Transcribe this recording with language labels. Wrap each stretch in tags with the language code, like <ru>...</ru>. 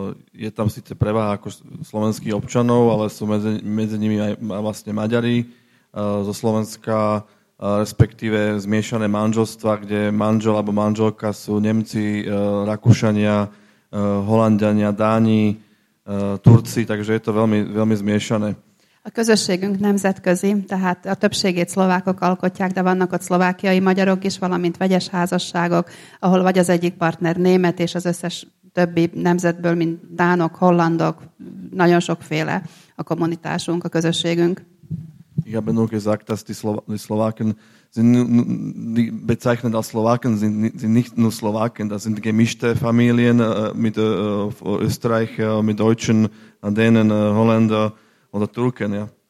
<sk>Je tam síce prevaha ako slovenských občanov, ale sú medzi nimi aj vlastne Maďari zo Slovenska, respektíve zmiešané manželstva, kde manžel alebo manželka sú Nemci, Rakúšania, Holandiania, Dáni, Turci, takže je to veľmi, veľmi zmiešané.</sk> <hu>A közösségünk nemzetközi, tehát a többségét szlovákok alkotják, de vannak ott szlovákiai magyarok is, valamint vegyes házasságok, ahol vagy az egyik partner német, és az összes többi nemzetből, mint dánok, hollandok, nagyon sokféle a kommunitásunk, a közösségünk.</hu> <de>Ich habe nur gesagt, dass die Slowaken sind bezeichnet als Slowaken, sind nicht nur Slowaken, das sind gemischte Familien mit Österreich, mit Deutschen, Dänen, Holländer oder Türken, ja.</de>